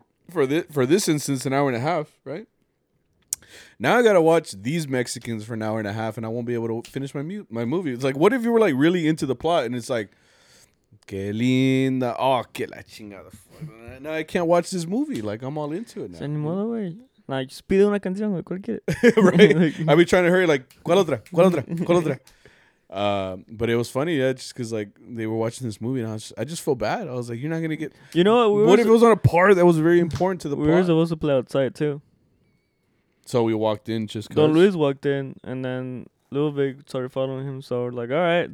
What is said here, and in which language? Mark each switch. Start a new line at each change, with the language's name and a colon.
English: For this instance, an hour and a half, right? Now I got to watch these Mexicans for an hour and a half, and I won't be able to finish my movie. It's like, what if you were like really into the plot, and it's like,
Spanish: que linda, oh, que la chingada.
English: Now I can't watch this movie. Like, I'm all into it now. Send him all the way.
Spanish: Like, pide una canción, cualquier.
English: Right? I'd be trying to hurry, like,
Spanish: cual otra, cual otra, cual otra.
English: But it was funny, yeah, just because, like, they were watching this movie, and I just felt bad. I was like, you're not going to get... You know what? What if it was on a part that was very important to the plot? We were supposed to play outside, too. So we walked in just because... Don Luis walked in, and then Lil Big started following him, so we're like, all right.